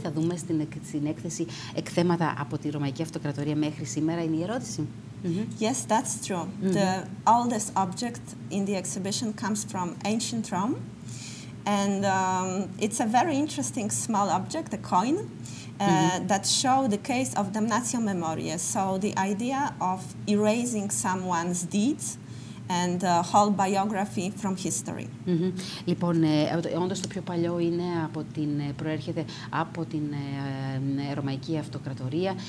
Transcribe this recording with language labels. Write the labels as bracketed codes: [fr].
[el] Θα δούμε στην έκθεση εκθέματα από τη Ρωμαϊκή Αυτοκρατορία μέχρι σήμερα. Είναι η ερώτηση. [en] Yes, that's true. The oldest object in the exhibition comes from ancient Rome, and it's a very interesting small object, a coin. That show the case of damnatio memoriae, so the idea of erasing someone's deeds and whole biography from history. [el] Λοιπόν, όντως το πιο παλιό είναι προέρχεται από την Ρωμαϊκή Αυτοκρατορία.